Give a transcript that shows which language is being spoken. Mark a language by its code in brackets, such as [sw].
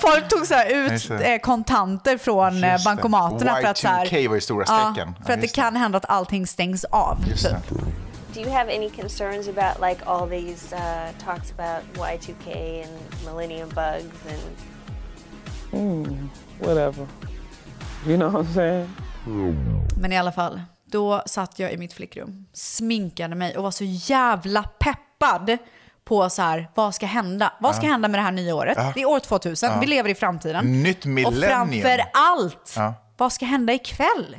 [sv] Folk tog så här ut kontanter från bankomaterna [en] Y2K [sv] för att så här, var ju stora stecken. För att det kan hända att allting stängs av. Just typ. [en] Do you have any concerns about like all these talks about Y2K and millennium bugs and whatever. You know what I'm saying? [sv] Men i alla fall, då satt jag i mitt flickrum, sminkade mig och var så jävla peppad på så här, vad ska hända? Vad ska hända med det här nya året? Det är år 2000, vi lever i framtiden. Nytt millennium. Och framför allt, vad ska hända ikväll?